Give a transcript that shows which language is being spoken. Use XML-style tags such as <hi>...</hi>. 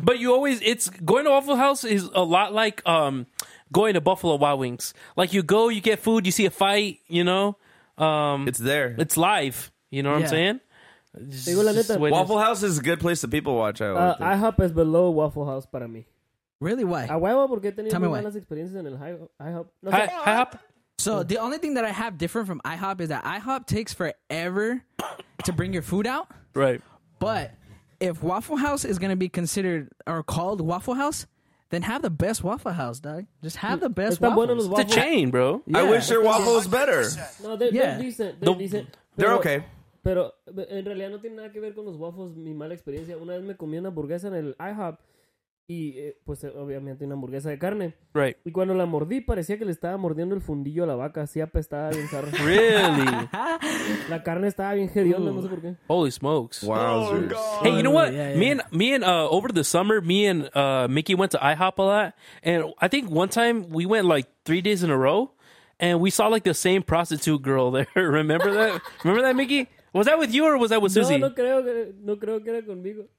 <en>But you always, it's going to Waffle House is a lot like going to Buffalo Wild Wings. Like you go, you get food, you see a fight, you know. It's there. It's live. You know what I'm saying?</en> <es>Digo la neta.</es> <en>Waffle House is a good place to people watch. IHOP is below Waffle House</en> <es>para mí.</es> <en>Really? Why?</en> <es>A huevo, porque he tenido malas experiencias en el IHOP.</es> <en>IHOP? So the only thing that I have different from IHOP is that IHOP takes forever to bring your food out. Right. But if Waffle House is going to be considered or called Waffle House, then have the best Waffle House, dog. Just have the best waffles. It's a chain, bro. Yeah. I wish their waffle was better. No, they're decent. They're okay.</en> <es>Pero en realidad no tiene nada que ver con los waffles, mi mala experiencia. Una vez me comí una hamburguesa en el IHOP y, pues, obviamente una hamburguesa de carne. Right. Y cuando la mordí, parecía que le estaba mordiendo el fundillo a la vaca. Así apestaba bien zarra.</es> <en>Really?</en> <es>La carne estaba bien hedionda, no sé por qué.</es> <en>Holy smokes. Wow. Oh, hey, you know what? Me and over the summer, me and Mickey went to IHOP a lot. And I think one time we went like 3 days in a row. And we saw like the same prostitute girl there. Remember that? Remember that, Mickey? Was that with you or was that with Susie?</en> <es>No creo que era conmigo.</es>